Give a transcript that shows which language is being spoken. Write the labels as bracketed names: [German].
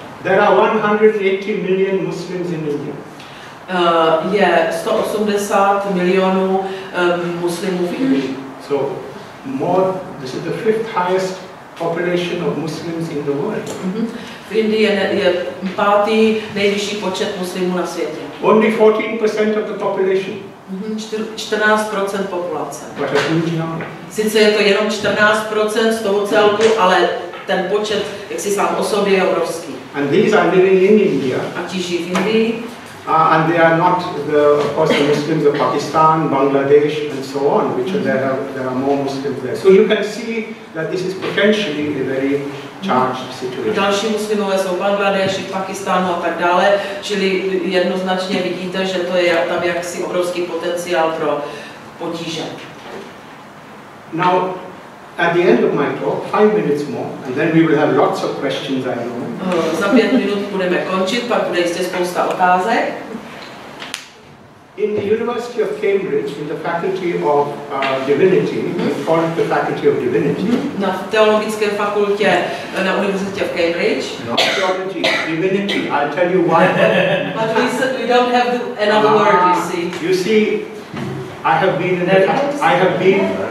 [English] There are 180 million Muslims in India. [Czech] Je 180 milionů muslimů v Indii. [English] So more, this is the fifth highest population of Muslims in the world. [Czech] V Indii je pátý nejvyšší počet muslimů na světě. [English] Only 14% of the population. [Czech] 14% populace. [English] But a huge number. [Czech] Sice je to jenom 14% z toho celku, ale ten počet, jak si sám o sobě, je obrovský. [English] And these are living in India. [Czech] A ti žijí v Indii. [English] And they are not the, of course, the Muslims of Pakistan, Bangladesh, and so on, which there are more Muslims there. So you can see that this is potentially a very charged situation. [Czech] Další muslimové jsou Bangladeš, Pakistánu a tak dále, čili jednoznačně vidíte, že to je tam jaksi obrovský potenciál pro potíže. [English] Now, at the end of my talk, 5 minutes more, and then we will have lots of questions, I know. [Czech] Za 5 minut budeme končit, pak bude jistě spousta otázek. [English] In the University of Cambridge, in the Faculty of Divinity, called the Faculty of Divinity. [Czech] Na teologické fakultě na univerzitě v Cambridge. [English] No, theology, divinity. I'll tell you why. But we said we don't have another word. You see. You see, I have been in I have been.